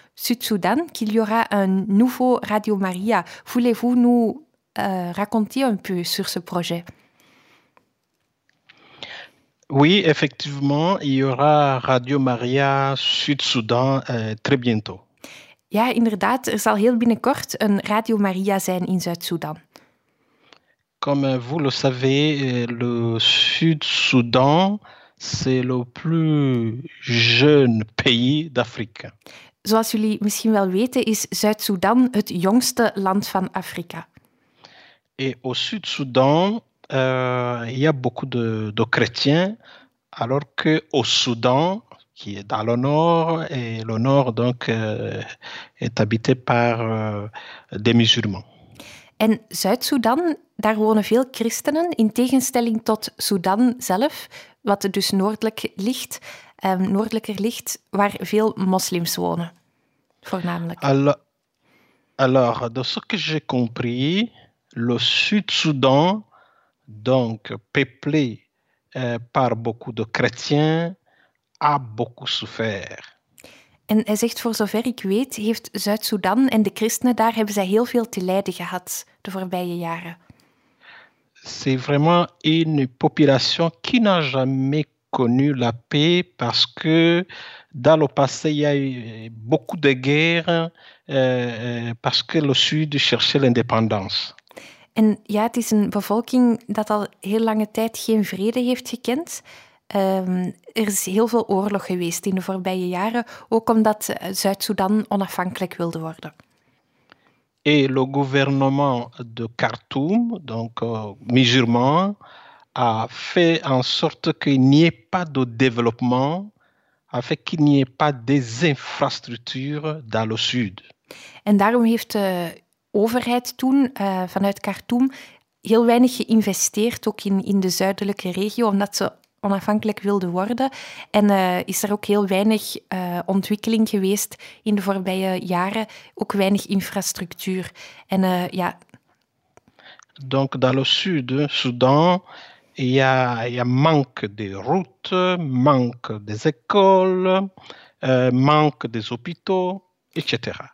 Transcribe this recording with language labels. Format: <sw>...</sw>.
<fr>Sud-Soudan, qu'il y aura un nouveau Radio Maria. Voulez-vous nous raconter un peu sur ce projet? Oui, effectivement, il y aura Radio Maria Sud-Soudan très bientôt.</fr> <nl>Ja, inderdaad, er zal heel binnenkort een Radio Maria zijn in Zuid-Soedan.</nl> <fr>Comme vous le savez, le Sud-Soudan, c'est le plus jeune pays d'Afrique.</fr> <nl>Zoals jullie misschien wel weten, is Zuid-Soedan het jongste land van Afrika.</nl> <fr>Et au Sud-Soudan... Il y a beaucoup de chrétiens, alors que au Soudan, qui est dans le nord, et le nord donc est habité par des musulmans.</fr> <nl>En Zuid-Soedan, daar wonen veel christenen, in tegenstelling tot Soudan zelf, wat dus noordelijk ligt, noordelijker ligt, waar veel moslims wonen, voornamelijk.</nl> <fr>Alors, de ce que j'ai compris, le Sud-Soudan donc peuplé par beaucoup de chrétiens, a beaucoup souffert.</fr> <nl>En hij zegt, voor zover ik weet, heeft Zuid-Soedan en de christenen daar hebben zij heel veel te lijden gehad de voorbije jaren.</nl> <fr>C'est vraiment une population qui n'a jamais connu la paix parce que dans le passé il y a eu beaucoup de guerres parce que le Sud cherchait l'indépendance.</fr> <nl>En ja, het is een bevolking dat al heel lange tijd geen vrede heeft gekend. Er is heel veel oorlog geweest in de voorbije jaren, ook omdat Zuid-Soedan onafhankelijk wilde worden.</nl> <fr>Et le gouvernement de Khartoum, donc musulman, a fait en sorte qu'il n'y ait pas de développement, a fait qu'il n'y ait pas des infrastructures dans le sud.</fr> <nl>En daarom heeft de overheid toen, vanuit Khartoum, heel weinig geïnvesteerd, ook in de zuidelijke regio, omdat ze onafhankelijk wilden worden. En is er ook heel weinig ontwikkeling geweest in de voorbije jaren, ook weinig infrastructuur. En ja.</nl> <fr>Donc, dans le sud, Soudan, il y a manque de routes, manque des écoles, manque des hôpitaux, etc.</fr>